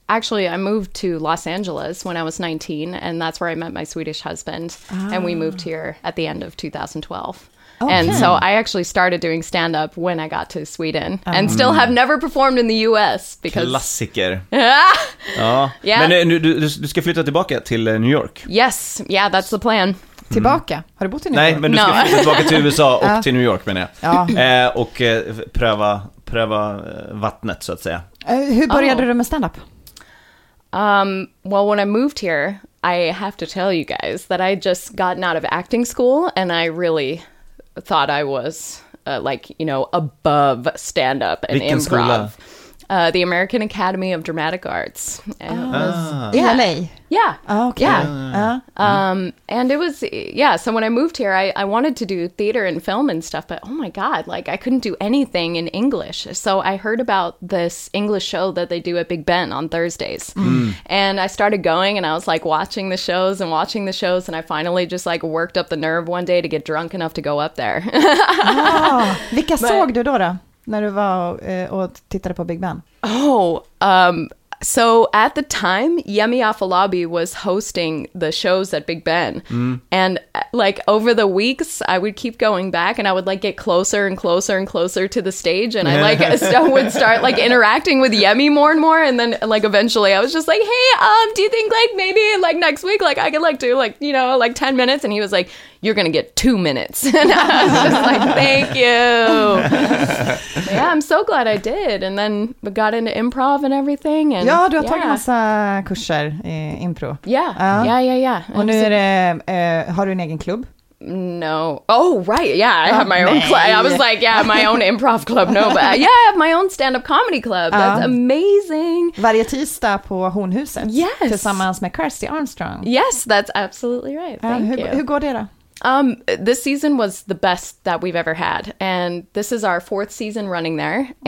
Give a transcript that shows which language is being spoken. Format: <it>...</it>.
<en>I moved to Los Angeles when I was 19, and that's where I met my Swedish husband. Oh. And we moved here at the end of 2012. Okay. And so I actually started doing stand-up when I got to Sweden. Oh. And still have never performed in the US. Because...</en> <sv>Klassiker. Ja. Men du ska flytta tillbaka till New York?</sv> <en>Yes, yeah, that's the plan.</en> <sv>Tillbaka? Mm. Har du bott i New Nej, York? Men du ska flytta tillbaka till USA och till New York, menar jag. Ja. Och pröva vattnet, så att säga. Hur började du med stand-up?</sv> <en>Well, when I moved here, I have to tell you guys that I just gotten out of acting school, and I really thought I was, like, you know, above stand-up and</en> <sv>Vilken</sv> <en>improv.</en> <sv>Skola?</sv> <en>The American Academy of Dramatic Arts. Oh. Was, yeah. LA? Yeah. Oh, okay. Yeah. And it was, yeah, so when I moved here, I wanted to do theater and film and stuff, but oh my God, like, I couldn't do anything in English. So I heard about this English show that they do at Big Ben on Thursdays. Mm. And I started going, and I was, like, watching the shows, and I finally just, like, worked up the nerve one day to get drunk enough to go up there.</en> <sv>Oh. Vilka såg du då? När du var och tittade på Big Ben.</sv> <en>So at the time, Yemi Afolabi was hosting the shows at Big Ben. Mm. And like over the weeks, I would keep going back and I would like get closer and closer and closer to the stage. And I like would start like interacting with Yemi more and more. And then like eventually I was just like, hey, do you think like maybe like next week, like I could like do like, you know, like 10 minutes. And he was like, you're going to get 2 minutes. And I was just like, thank you. Yeah, I'm so glad I did. And then we got into improv and everything. And</en> <sv>ja, du har tagit massa kurser i impro.</sv> <en>Yeah.</en> <sv>Och nu är det, har du en egen klubb?</sv> <en>No. Oh, right. Yeah, I have my own club. I was like, yeah, my own improv club. No, but yeah, I have my own stand-up comedy club. That's amazing.</en> <sv>Varje tisdag på Hornhuset.</sv> <en>Yes.</en> <sv>Tillsammans med Kirsty Armstrong.</sv> <en>Yes, that's absolutely right. Thank you.</en> <sv>Hur går det då?</sv> <en>This season was the best that we've ever had. And this is our fourth season running there. Mm-hmm.</en>